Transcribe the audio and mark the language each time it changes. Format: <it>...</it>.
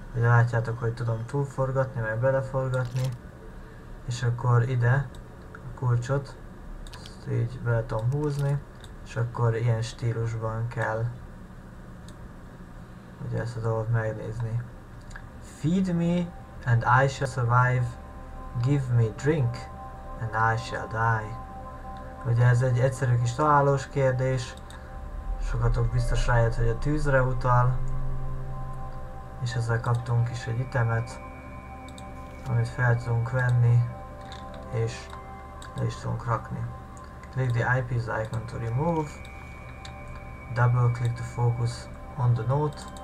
<hu>Ugye látjátok, hogy tudom túlforgatni, meg beleforgatni, és akkor ide a kulcsot így bele tudom húzni, és akkor ilyen stílusban kell ugye ezt a dolgot megnézni.</hu> <en>Feed me and I shall survive, give me drink and I shall die.</en> <hu>Ugye ez egy egyszerű kis találós kérdés, sokatok biztos rájött, hogy a tűzre utal, és ezzel kaptunk is egy itemet, amit fel tudunk venni, és le is tudunk rakni.</hu> <en>Click the eyepiece icon to remove. Double click to focus on the note.</en>